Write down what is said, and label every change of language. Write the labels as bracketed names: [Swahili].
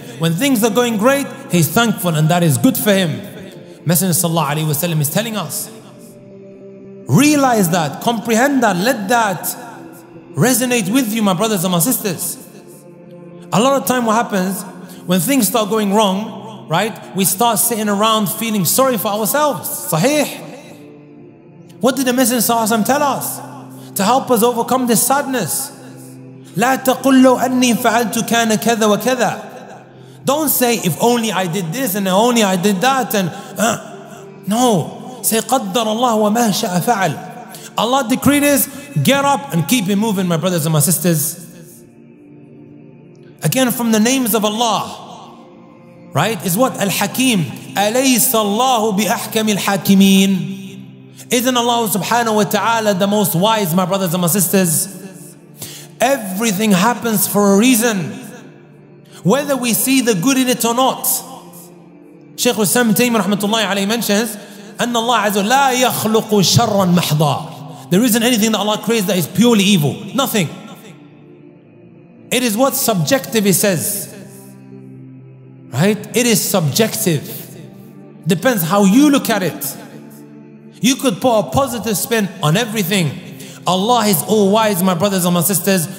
[English] When things are going great, he's thankful and that is good for him. Messenger sallallahu alayhi wa sallam is telling us, realize that, comprehend that, let that resonate with you, my brothers and my sisters. A lot of time what happens, when things start going wrong, right, we start sitting around feeling sorry for ourselves. Sahih. What did the Messenger sallallahu alayhi wa sallam tell us? To help us overcome this sadness. [Arabic] لا تقل لو أني فعلت كان كذا وكذا. [English] Don't say, if only I did this and only I did that and... No. Say, [Arabic] قدر الله وما شاء فعل. [English] Allah decreed is, get up and keep it moving, my brothers and my sisters. Again, from the names of Allah, right, is what? Al-Hakim. [Arabic] أليس الله بأحكم الحاكمين. [English] Isn't Allah subhanahu wa ta'ala the most wise, my brothers and my sisters? Everything happens for a reason. Whether we see the good in it or not. Shaykh al-Islam Taymiyyah rahmatullahi alayhi mentions, [Arabic] أن الله عز وجل لا يخلق شرا محضا. [English] There isn't anything that Allah creates that is purely evil. Nothing. It is what subjective He says. Right? It is subjective. Depends how you look at it. You could put a positive spin on everything. Allah is all wise, my brothers and my sisters.